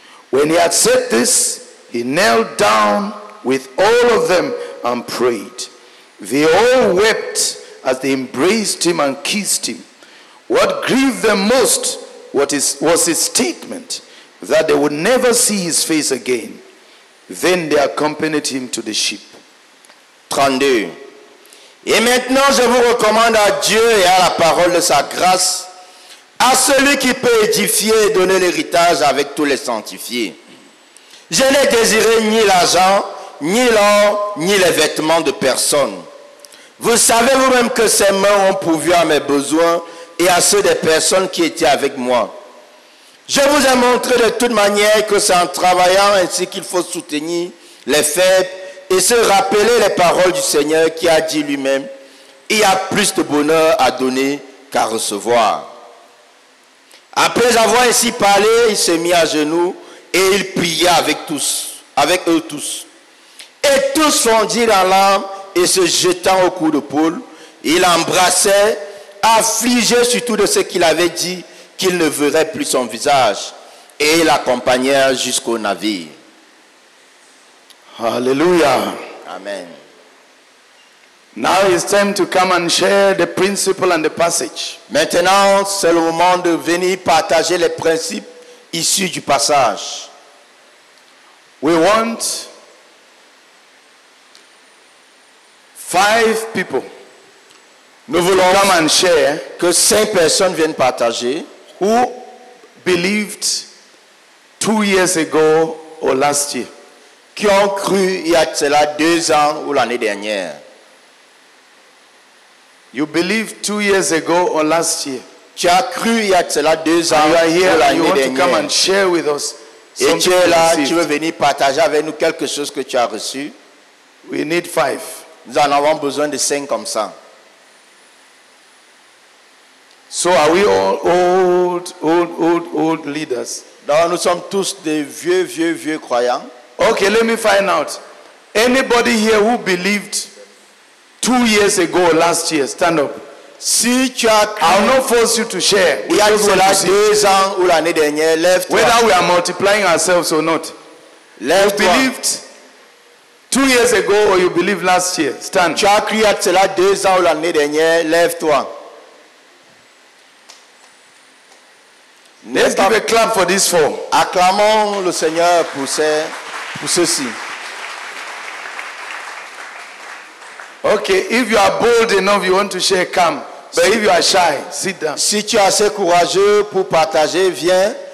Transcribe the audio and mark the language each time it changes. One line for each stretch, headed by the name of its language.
English: When he had said this, he knelt down with all of them and prayed. They all wept as they embraced him and kissed him. What grieved them most was his statement that they would never see his face again. Then they accompanied him to the ship. 32.
French: Et maintenant je vous recommande à Dieu et à la parole de sa grâce, à celui qui peut édifier et donner l'héritage avec tous les sanctifiés. Je n'ai désiré ni l'argent, ni l'or, ni les vêtements de personne. Vous savez vous-même que ses mains ont pourvu à mes besoins et à ceux des personnes qui étaient avec moi. Je vous ai montré de toute manière que c'est en travaillant ainsi qu'il faut soutenir les faibles et se rappeler les paroles du Seigneur qui a dit lui-même, il y a plus de bonheur à donner qu'à recevoir. Après avoir ainsi parlé, il s'est mis à genoux et il pria avec eux tous. Et tous fondirent en larmes et se jetant au cou de Paul, il embrassait, affligé surtout de ce qu'il avait dit, qu'il ne verrait plus son visage, et l'accompagnèrent jusqu'au navire. Alléluia. Amen.
English: Now it's time to come and share the principle and the passage.
French: Maintenant, c'est le moment de venir partager les principes issus du passage.
English: We want 5 people.
French: Nous voulons
English: come and share
French: que 5 personnes viennent partager.
English: Who believed 2 years ago or last year?
French: Qui ont cru il y a cela 2 ans ou l'année dernière?
English: You believed 2 years ago or last year?
French: Tu as cru il y a cela 2 ans ou l'année dernière?
English: You want to come and share with us something you received?
French: Et tu es là, tu veux venir partager avec nous quelque chose que tu as reçu?
English: We need 5.
French: Nous en avons besoin de 5 comme ça.
English: So are we all old leaders?
French: Donc nous sommes tous des vieux croyants.
English: Okay, let me find out. Anybody here who believed 2 years ago, last year, stand up.
French: Si tu as cru,
English: I'll not force you to share.
French: Il y a cela 2 ans ou l'année dernière. Lève-toi.
English: Whether we are multiplying ourselves or not.
French: Lève-toi.
English: Who believed 2 years ago, or you believe last year, stand.
French: Tu as crié à cela 2 ans ou l'année dernière, lève-toi.
English: Let's give a clap for this form.
French: Acclamons le Seigneur pour ceci.
English: Okay, if you are bold enough, you want to share, come. But if you are shy, sit down.
French: Si tu as assez courageux pour partager, viens.